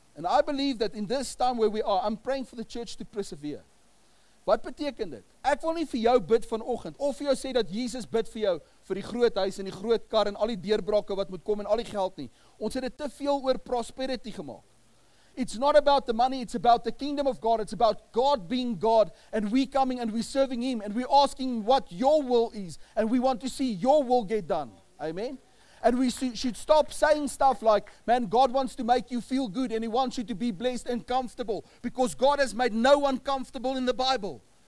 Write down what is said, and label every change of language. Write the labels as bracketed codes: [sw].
[en] And I believe that in this time where we are, I'm praying for the church to persevere. [af] Wat beteken dit? Ek wil nie vir jou bid vanoggend, of vir jou sê dat Jesus bid vir jou, vir die groot huis en die groot kar en al die deurbrake wat moet kom en al die geld nie. Ons het dit te veel oor prosperity gemaak. [en] It's not about the money, it's about the kingdom of God. It's about God being God and we coming and we serving him and we asking what your will is and we want to see your will get done. Amen? And we should stop saying stuff like, man, God wants to make you feel good and he wants you to be blessed and comfortable, because God has made no one comfortable in the Bible.